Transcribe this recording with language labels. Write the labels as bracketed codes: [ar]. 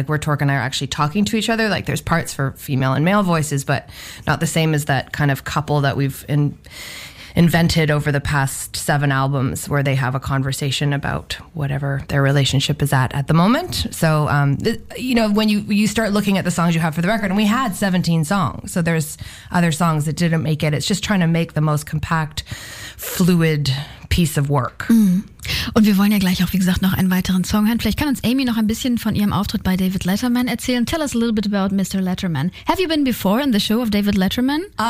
[en] Like where Torque and I are actually talking to each other. Like there's parts for female and male voices, but not the same as that kind of couple that we've invented over the past 7 albums where they have a conversation about whatever their relationship is at the moment. So, when you start looking at the songs you have for the record, and we had 17 songs, so there's other songs that didn't make it. It's just trying to make the most compact, fluid piece of work. Mm. [de] Und wir wollen ja gleich auch, wie gesagt, noch einen weiteren Song hören. Vielleicht kann uns Amy noch ein bisschen von ihrem Auftritt bei David Letterman erzählen. [en] Tell us a little bit about Mr. Letterman. Have you been before in the show of David Letterman?